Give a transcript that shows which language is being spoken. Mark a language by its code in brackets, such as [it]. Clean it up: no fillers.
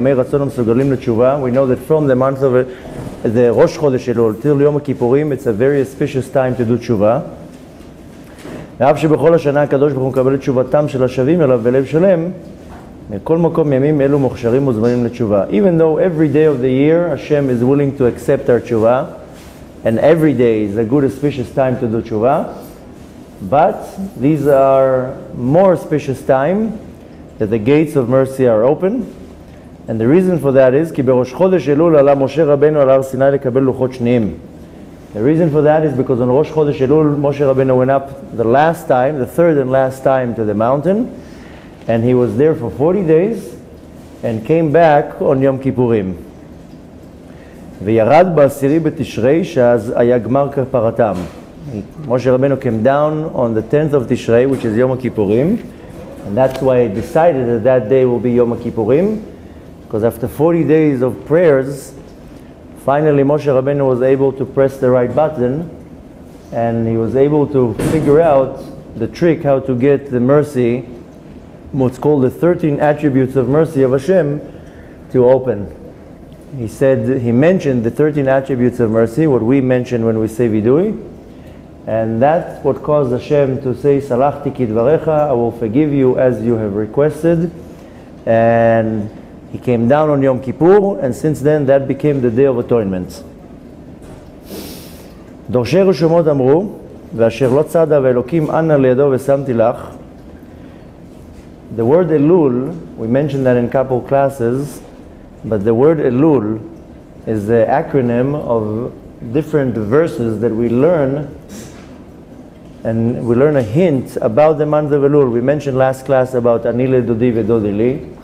[en] We know that from the month of the Rosh Chodesh Elul till Yom Kippurim, it's a very auspicious time to do tshuva. [he] ואף שבכל השנה הקדוש ברוך הוא מקבל את תשובתם של השבים אליו בלב שלם, מכל מקום ימים אלו מוכשרים וזמנים לתשובה. [en] Even though every day of the year Hashem is willing to accept our תשובה, and every day is a good auspicious time to do תשובה, but these are more auspicious time that the gates of mercy are open. And the reason for that is [he] כי בראש חודש אלול עלה משה רבנו על הר סיני לקבל לוחות שניים. [en] The reason for that is because on Rosh Chodesh Elul, Moshe Rabbeinu went up the last time, the third and last time to the mountain, and he was there for 40 days and came back on Yom Kippurim. [he] וירד בעשירי בתשרי שאז היה גמר כפרתם. [en] Moshe Rabbeinu came down on the 10th of Tishrei, which is Yom Kippurim, and that's why he decided that that day will be Yom Kippurim, because after 40 days of prayers, finally, Moshe Rabbeinu was able to press the right button, and he was able to figure out the trick how to get the mercy, what's called the 13 attributes of mercy of Hashem, to open. He mentioned the 13 attributes of mercy, what we mention when we say vidui, and that's what caused Hashem to say, [he] Salachti kidvarecha, [en] I will forgive you as you have requested, and he came down on Yom Kippur, and since then that became the Day of Atonement. [he] דורשי רשומות אמרו, ואשר לא צדה ואלוקים אנה לידו ושמתי לך. [en] The word Elul, we mentioned that in couple classes, but the word Elul is the acronym of different verses that we learn, and we learn a hint about the month of Elul. We mentioned last class about [he] Ani ledodi ודודי לי.